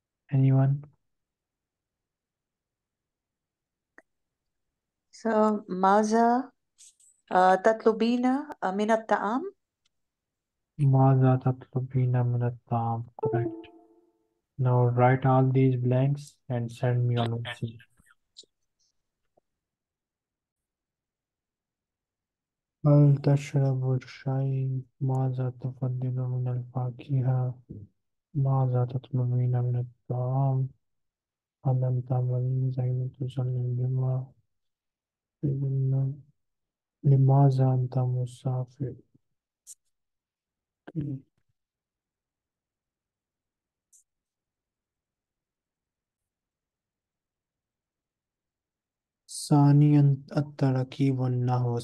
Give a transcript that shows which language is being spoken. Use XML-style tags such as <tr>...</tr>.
<en>Anyone?</en> <ar>ماذا تطلبين من الطعام؟ ماذا تطلبين من الطعام؟</ar> <en>Correct. Now write all these blanks and send me on WhatsApp.</en> <ar>هل تشرب الشاي؟ ماذا تفضل من الفاكهة؟ ماذا تطلبين من الطعام؟ هل أنت مريض؟ أين تصلي الجمعة؟ لماذا أنت مسافر؟ ثانيا التركيب والنحو.</ar>